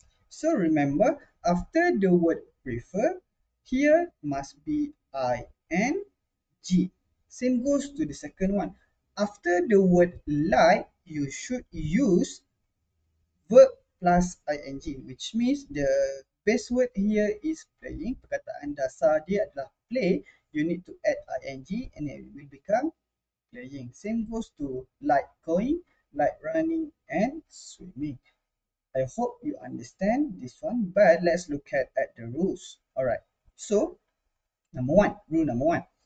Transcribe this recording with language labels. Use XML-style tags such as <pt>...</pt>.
<en>So remember, after the word prefer, here must be ing. Same goes to the second one. After the word like, you should use verb plus ing, which means the base word here is playing.</en> <ms>Perkataan dasar dia adalah play.</ms> <en>You need to add ing and it will become playing. Same goes to like going, like running and swimming. I hope you understand this one. But let's look at the rules. Alright. So, number one. Rule number one.</en>